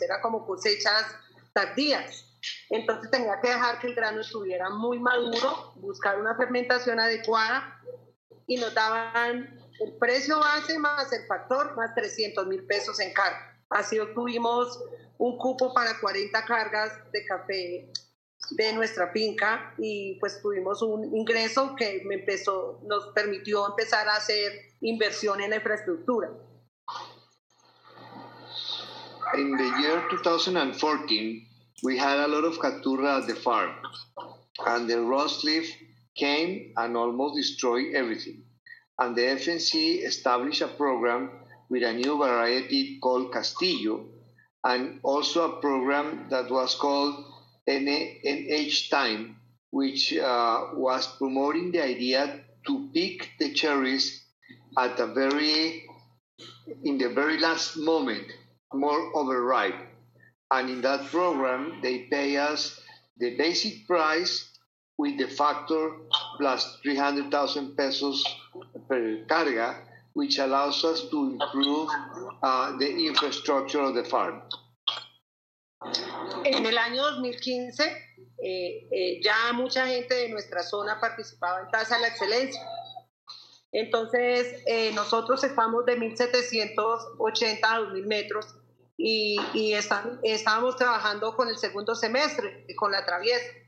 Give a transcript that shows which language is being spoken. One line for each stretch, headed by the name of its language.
Spanish: Era como cosechas tardías. Entonces tenía que dejar que el grano estuviera muy maduro, buscar una fermentación adecuada y nos daban el precio base más el factor más 300,000 pesos en carga. Así obtuvimos un cupo para 40 cargas de café de nuestra finca y pues tuvimos un ingreso que nos permitió empezar a hacer inversión en la infraestructura.
English: In the year 2014, we had a lot of caturra at the farm and the rust leaf came and almost destroyed everything. And the FNC established a program with a new variety called Castillo and also a program that was called NH Time, which was promoting the idea to pick the cherish at a very, in the very last moment, more overripe. And in that program, they pay us the basic price with the factor plus 300,000 pesos per carga, which allows us to improve the infrastructure of the farm.
Spanish: En el año 2015, ya mucha gente de nuestra zona participaba en Tasa de la Excelencia. Entonces, nosotros estamos de 1,780 a 2,000 metros y estábamos trabajando con el segundo semestre, con la traviesa.